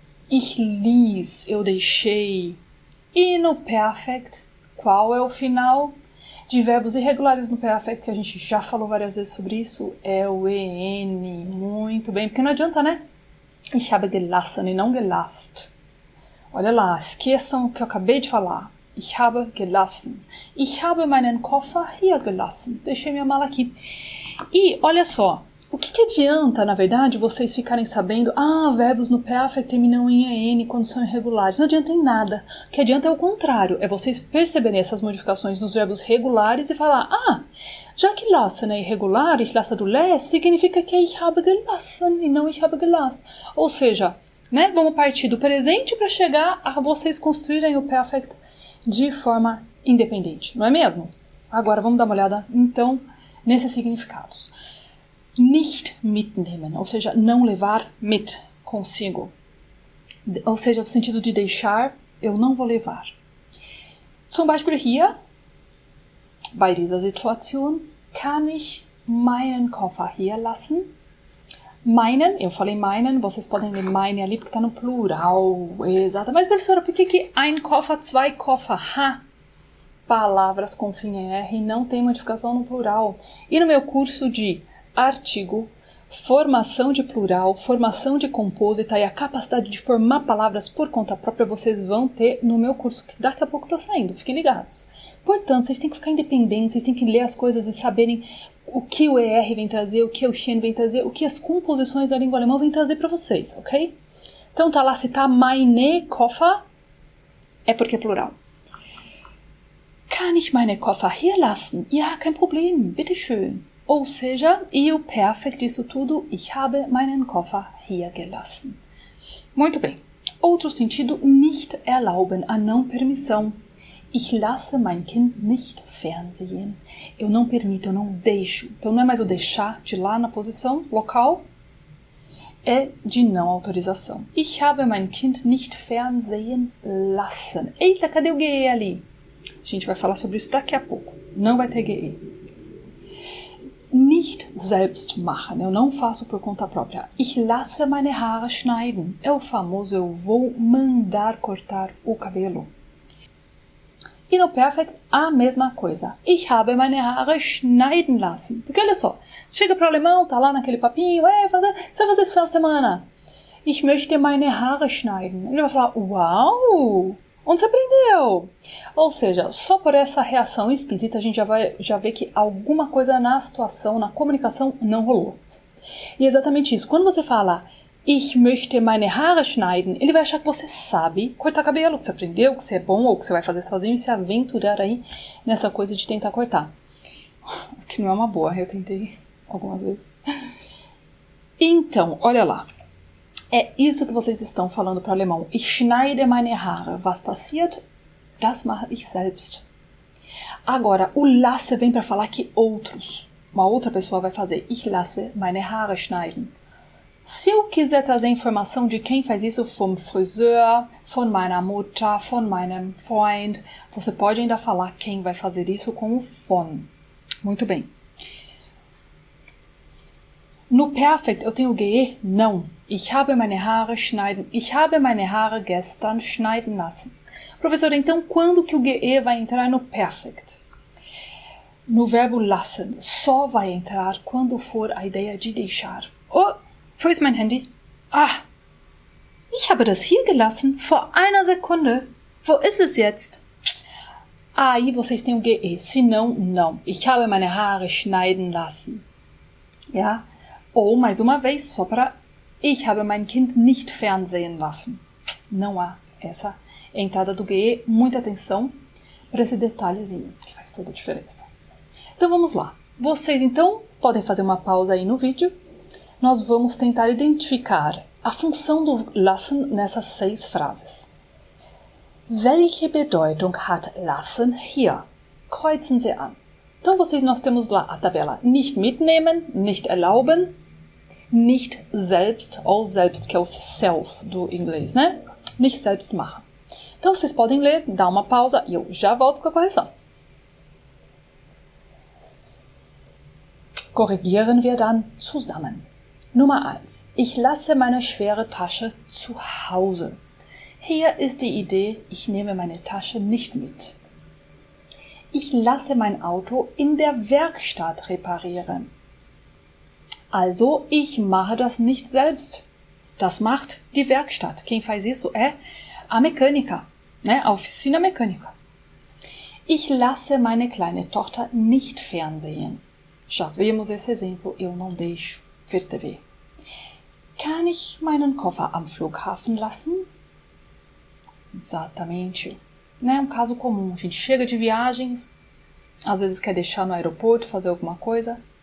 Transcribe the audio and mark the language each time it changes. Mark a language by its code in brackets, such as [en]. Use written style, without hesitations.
[de] Ich ließ, [pt] eu deixei. E no perfect, qual é o final de verbos irregulares no perfect, que a gente já falou várias vezes sobre isso, é o en. Muito bem, porque não adianta, né? [de] Ich habe gelassen [pt] e não gelast. Olha lá, esqueçam o que eu acabei de falar. [de] Ich habe gelassen. Ich habe meinen Koffer hier gelassen. [pt] Deixei minha mala aqui. E olha só, o que, que adianta, na verdade, vocês ficarem sabendo, verbos no perfect terminam em en quando são irregulares. Não adianta em nada. O que adianta é o contrário. É vocês perceberem essas modificações nos verbos regulares e falar, já que lassen é irregular, [de] ich lasse du lässt, [pt] significa que é [de] ich habe gelassen [pt] e não [de] ich habe gelassen. [pt] Ou seja, né, vamos partir do presente para chegar a vocês construírem o perfect de forma independente. Não é mesmo? Agora vamos dar uma olhada, então, nesses significados. [de] Nicht mitnehmen, [pt] ou seja, não levar mit consigo. Ou seja, no sentido de deixar, eu não vou levar. [de] Zum Beispiel hier, bei dieser Situation, kann ich meinen Koffer hier lassen. [pt] Meinen, eu falei meinen, vocês podem ler meine ali, porque está no plural. Exato. Mas, professora, por que que [de] ein Koffer, zwei Koffer? [pt] Ha! Palavras com fim em R não tem modificação no plural. E no meu curso de artigo, formação de plural, formação de compositor e a capacidade de formar palavras por conta própria, vocês vão ter no meu curso, que daqui a pouco está saindo, fiquem ligados. Portanto, vocês têm que ficar independentes, vocês têm que ler as coisas e saberem o que o ER vem trazer, o que o Xen vem trazer, o que as composições da língua alemã vêm trazer para vocês, ok? Então tá lá, se tá [de] meine Koffer, [pt] é porque é plural. [de] Kann ich meine Koffer hier lassen? Ja, kein Problem, bitteschön. [pt] Ou seja, e o perfect disso tudo, [de] ich habe meinen Koffer hier gelassen. [pt] Muito bem. Outro sentido, [de] nicht erlauben, [pt] a não permissão. [de] Ich lasse mein Kind nicht fernsehen. [pt] Eu não permito, eu não deixo. Então não é mais o deixar de lá na posição local, é de não autorização. [de] Ich habe mein Kind nicht fernsehen lassen. [pt] Eita, cadê o GE ali? A gente vai falar sobre isso daqui a pouco. Não vai ter GE. [de] selbst machen. [pt] Eu não faço por conta própria. [de] Ich lasse meine Haare schneiden. [pt] É o famoso eu vou mandar cortar o cabelo. E no perfect, a mesma coisa. [de] Ich habe meine Haare schneiden lassen. [pt] Porque olha só, chega para o alemão, tá lá naquele papinho, é, fazer, você vai fazer esse final de semana. [de] Ich möchte meine Haare schneiden. [pt] Ele vai falar, uau, onde você aprendeu? Ou seja, só por essa reação esquisita, a gente já vê que alguma coisa na situação, na comunicação, não rolou. E exatamente isso. Quando você fala, [de] ich möchte meine Haare schneiden, [pt] ele vai achar que você sabe cortar cabelo, que você aprendeu, que você é bom, ou que você vai fazer sozinho, e se aventurar aí nessa coisa de tentar cortar. O que não é uma boa, eu tentei algumas vezes. Então, olha lá. É isso que vocês estão falando para o alemão. [de] Ich schneide meine Haare. Was passiert? Das mache ich selbst. [pt] Agora, o lasse vem para falar que outros, uma outra pessoa vai fazer. [de] Ich lasse meine Haare schneiden. [pt] Se eu quiser trazer informação de quem faz isso, [de] vom Friseur, von meiner Mutter, von meinem Freund, [pt] você pode ainda falar quem vai fazer isso com o von. Muito bem. No perfect, eu tenho o GE? Não. [de] Ich habe meine Haare schneiden. Ich habe meine Haare gestern schneiden lassen. [pt] Professora, então quando que o GE vai entrar no perfect? No verbo lassen, só vai entrar quando for a ideia de deixar. [de] Oh, wo ist mein Handy? Ah, ich habe das hier gelassen, vor einer Sekunde. Wo ist es jetzt? [pt] Aí vocês têm o GE. Se não, não. [de] Ich habe meine Haare schneiden lassen. Ja? [pt] Ou, mais uma vez, só para [de] ich habe mein Kind nicht fernsehen lassen. [pt] Não há essa entrada do GE. Muita atenção para esse detalhezinho, que faz toda a diferença. Então, vamos lá. Vocês, então, podem fazer uma pausa aí no vídeo. Nós vamos tentar identificar a função do lassen nessas seis frases. [de] Welche Bedeutung hat lassen hier? Kreuzen Sie an. [pt] Então, vocês, nós temos lá a tabela [de] nicht mitnehmen, nicht erlauben, nicht selbst, [pt] ou selbst, que é o self do inglês, né? [de] Nicht selbst machen. [pt] Então, vocês podem ler, dá uma pausa e eu já volto com a correção. [de] Korrigieren wir dann zusammen. Nummer 1. Ich lasse meine schwere Tasche zu Hause. Hier ist die Idee, ich nehme meine Tasche nicht mit. Ich lasse mein Auto in der Werkstatt reparieren. Also, ich mache das nicht selbst. Das macht die Werkstatt. [pt] Quem faz isso é a mecânica, né? A oficina mecânica. [de] Ich lasse meine kleine Tochter nicht fernsehen. [pt] Já vimos esse exemplo. Eu não deixo ver TV. [de] Kann ich meinen Koffer am Flughafen lassen? [pt] Exatamente. Né, um caso comum, a gente chega de viagens, às vezes quer deixar no aeroporto, fazer alguma coisa.